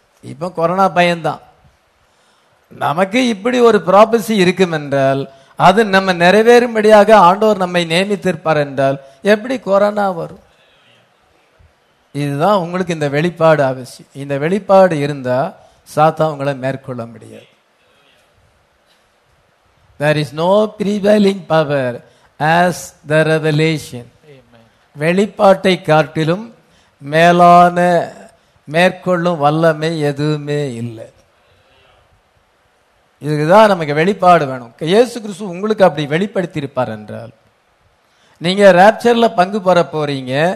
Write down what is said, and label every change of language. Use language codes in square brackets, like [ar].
[ta] இப்ப கொரோனா பயம்தான். நமக்கு இப்படி ஒரு ப்ராபசி இருக்கும் என்றால் அது நம்ம நிறைவேறும்படியாக ஆண்டவர் நம்மை நியமித்திருப்பார் என்றால் எப்படி கொரோனா வரும்? இதுதான் உங்களுக்கு இந்த வெளிப்பாடு அவசியம். இந்த வெளிப்பாடு இருந்தா சாத்தா உங்களை மேற்கொள்ள முடியாது. [en] There is no prevailing power as the revelation. [ta] வெளிப்பாட்டை காட்டிலும் மேலான மேற்கொள்ளும் வல்லமை எதுவுமே இல்லை. இதுக்குதான் நமக்கு வெளிப்பாடு வேணும். இயேசு கிறிஸ்து உங்களுக்கு அப்படி வெளிப்படுத்தி இருப்பார் என்றால் நீங்க ராப்சர்ல பங்கு பெற போறீங்க.